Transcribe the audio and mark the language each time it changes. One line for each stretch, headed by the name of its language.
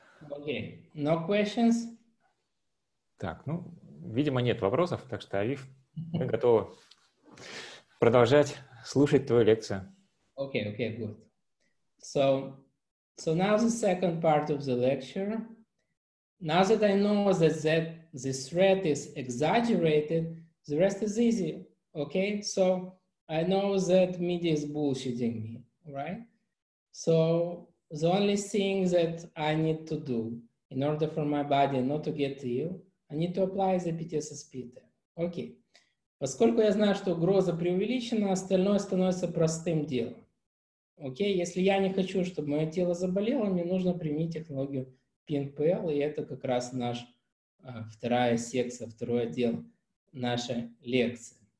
English: Окей, okay. No questions?
Russian: Так, ну, видимо, нет вопросов, так что, Авив, мы готовы продолжать слушать твою лекцию.
English: Окей, okay, окей, good. So now the second part of the lecture. Now that I know that the threat is exaggerated, the rest is easy, okay? So I know that media is bullshitting me, right? So the only thing that I need to do in order for my body not to get ill, I need to apply the PTSSP. Okay.
Russian: Поскольку я знаю, что угроза преувеличена, остальное становится простым делом.
English: Окей, okay?
Russian: Если я не хочу, чтобы мое тело заболело, мне нужно применить технологию PNPL, и это как раз наш вторая секция, второй отдел нашей лекции.